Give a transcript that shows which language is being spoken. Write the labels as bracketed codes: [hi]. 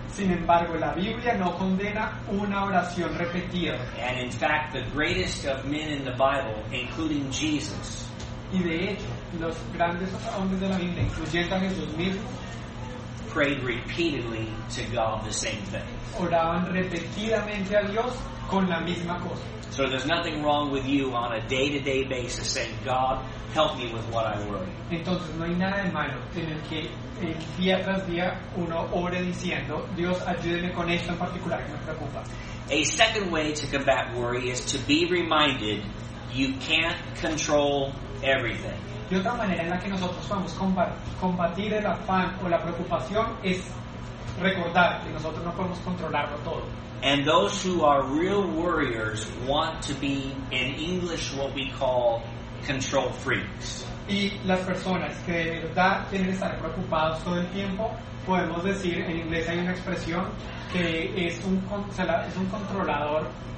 [es] Sin embargo, la Biblia no condena una oración repetida. [en] And in fact, the greatest of men in the Bible, including Jesus. [es] Y de hecho, los grandes hombres de la Biblia, incluyendo a Jesús mismo, [en] prayed repeatedly to God the same thing. [es] Oraban repetidamente a Dios con la misma cosa. [en] So there's nothing wrong with you on a day-to-day basis saying, God, help me with what I worry. [es] Entonces no hay nada de malo en el que el día tras día uno ore diciendo, Dios, ayúdeme con esto en particular que me preocupa. [en] A second way to combat worry is to be reminded you can't control everything. [es] Y otra manera en la que nosotros podemos combatir el afán o la preocupación es recordar que nosotros no podemos controlarlo todo. [en] And those who are real worriers want to be, in English, what we call control freaks. [es] Y las personas que de verdad quieren estar preocupados todo el tiempo, podemos decir, en inglés hay una expresión que es un controlador